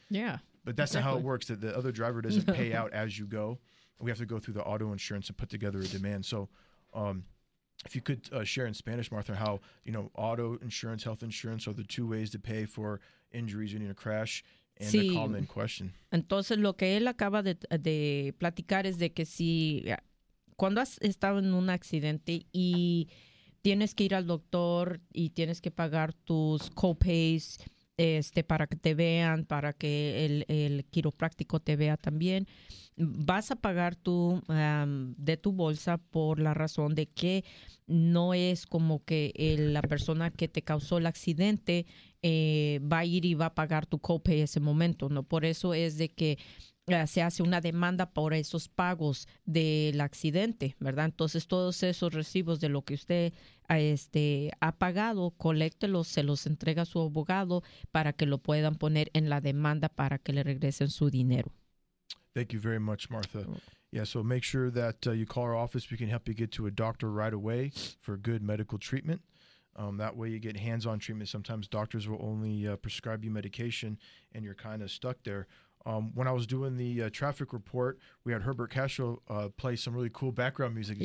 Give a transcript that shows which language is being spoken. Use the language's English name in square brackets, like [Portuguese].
[English] Yeah. But that's not how it works, that the other driver doesn't pay out as you go. We have to go through the auto insurance and put together a demand. So if you could share in Spanish, Martha, how, you know, auto insurance, health insurance are the two ways to pay for injuries in a crash, and [Spanish] sí, [English] a common question. [Spanish] Entonces, lo que él acaba de platicar es de que si, cuando has estado en un accidente y tienes que ir al doctor y tienes que pagar tus copays para que te vean, para que el quiropráctico te vea también, vas a pagar tu de tu bolsa por la razón de que no es como que la persona que te causó el accidente va a ir y va a pagar tu copay ese momento, ¿no? Por eso es de que se hace una demanda por esos pagos del accidente, ¿verdad? Entonces, todos esos recibos de lo que usted ha pagado, coléctelos, se los entrega a su abogado para que lo puedan poner en la demanda para que le regresen su dinero. [English] Thank you very much, Martha. Yeah, so make sure that you call our office. We can help you get to a doctor right away for good medical treatment. That way you get hands-on treatment. Sometimes doctors will only prescribe you medication and you're kind of stuck there. When I was doing the traffic report, we had Herbert Castro play some really cool background music.